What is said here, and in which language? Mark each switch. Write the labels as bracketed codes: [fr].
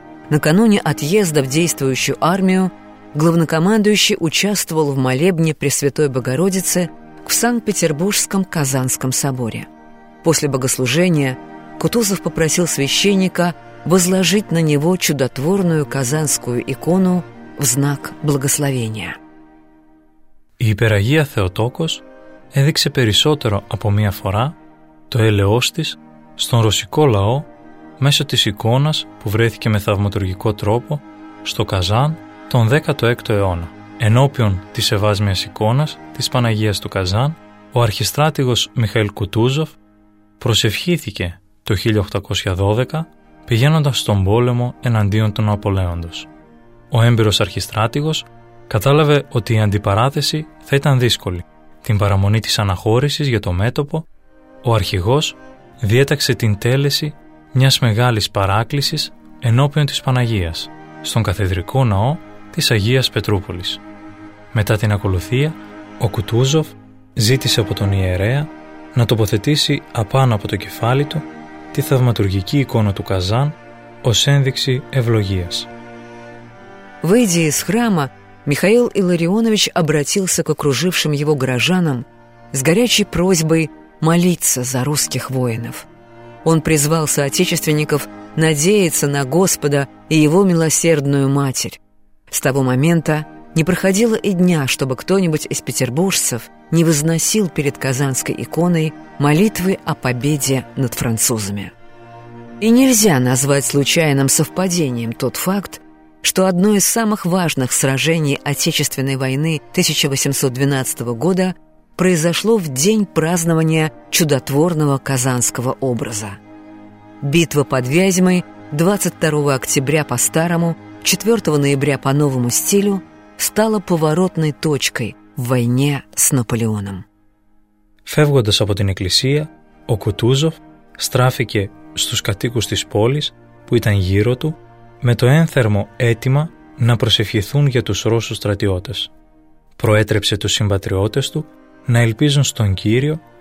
[ru] Накануне отъезда в действующую армию главнокомандующий участвовал в молебне Пресвятой Богородице в Санкт-Петербургском Казанском соборе. После богослужения Кутузов попросил священника возложить на него чудотворную казанскую икону в знак благословения. [el] Η Υπεραγία Θεοτόκος έδειξε περισσότερο από μία φορά το έλεος της στον ρωσικό λαό μέσω της εικόνας που βρέθηκε με θαυματουργικό τρόπο στο Καζάν τον 16ο αιώνα. Ενώπιον της σεβάσμιας εικόνας της Παναγίας του Καζάν, ο αρχιστράτηγος Μιχαήλ Κουτούζοφ προσευχήθηκε το 1812 πηγαίνοντας στον πόλεμο εναντίον του Ναπολέοντος. Ο έμπειρος αρχιστράτηγος κατάλαβε ότι η αντιπαράθεση θα ήταν δύσκολη. Την παραμονή της αναχώρησης για το μέτωπο, ο αρχηγός διέταξε την τέλεση μιας μεγάλης παράκλησης ενώπιον της Παναγίας, στον καθεδρικό ναό της Αγίας Πετρούπολης. Μετά την ακολουθία, ο Κουτούζοφ ζήτησε από τον ιερέα να τοποθετήσει απάνω από το κεφάλι του τη θαυματουργική εικόνα του Καζάν ως ένδειξη ευλογίας. [ru] Выйдя из храма, Михаил Илларионович обратился к окружившим его горожанам с горячей просьбой молиться за русских воинов. Он призвал соотечественников надеяться на Господа и Его милосердную Матерь. С того момента не проходило и дня, чтобы кто-нибудь из петербуржцев не возносил перед казанской иконой молитвы о победе над французами. И нельзя назвать случайным совпадением тот факт, что одно из самых важных сражений Отечественной войны 1812 года произошло в день празднования чудотворного казанского образа. Битва под Вязьмой 22 октября по старому, 4 ноября по новому стилю стала поворотной точкой в войне с Наполеоном. [el] Φεύγοντας από την εκκλησία, ο Κουτούζοφ στράφηκε στους κατοίκους της πόλης που ήταν γύρω του με το ένθερμο αίτημα να προσευχηθούν για τους Ρώσους στρατιώτες. Προέτρεψε τους συμπατριώτες του να ελπίζουν στον Κύριο